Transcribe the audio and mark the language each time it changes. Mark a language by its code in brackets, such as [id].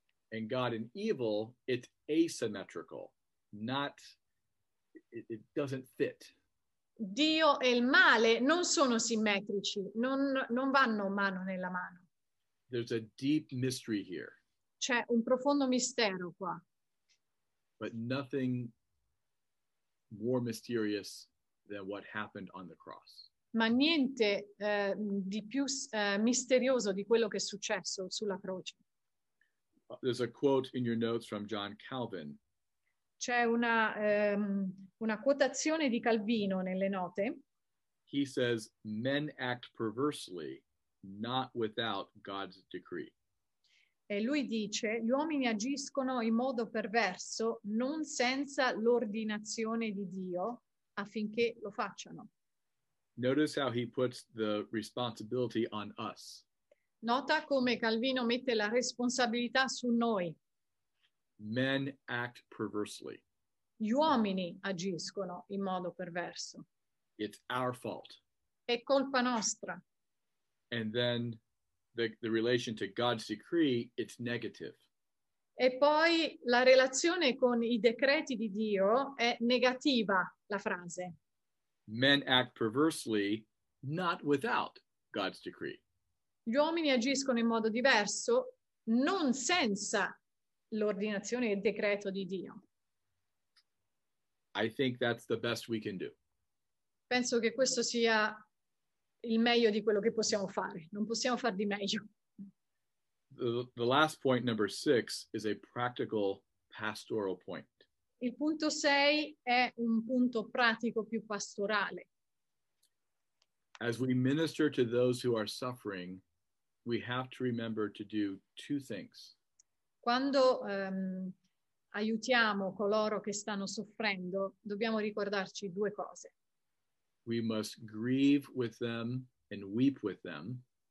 [en] And God in evil, it's asymmetrical, it doesn't fit. [it] Dio e il male non sono simmetrici, non vanno mano nella mano. [en] There's a deep mystery here. [it] C'è un profondo mistero qua. [en] But nothing more mysterious than what happened on the cross. [it] Ma niente di più misterioso di quello che è successo sulla croce. [en] There's a quote in your notes from John Calvin. [it] C'è una quotazione di Calvino nelle note. [en] He says, "Men act perversely, not without God's decree." [it] E lui dice, gli uomini agiscono in modo perverso, non senza l'ordinazione di Dio, affinché lo facciano. [en] Notice how he puts the responsibility on us. [it] Nota come Calvino mette la responsabilità su noi. [en] Men act perversely. [it] Gli uomini agiscono in modo perverso. [en] It's our fault. [it] È colpa nostra. [en] And then the relation to God's decree, it's negative. [it] E poi la relazione con i decreti di Dio è negativa, la frase. [en] Men act perversely, not without God's decree. [it] Gli uomini agiscono in modo diverso, non senza l'ordinazione e il decreto di Dio. [en] I think that's the best we can do. [it] Penso che questo sia il meglio di quello che possiamo fare. Non possiamo far di meglio. [en] The last point, number 6, is a practical pastoral point. [it] Il punto 6 è un punto pratico più pastorale. [en] As we minister to those who are suffering, we have to remember to do two things. [it] Quando aiutiamo coloro che stanno soffrendo, dobbiamo ricordarci due cose. [en] We must grieve with them and weep with them.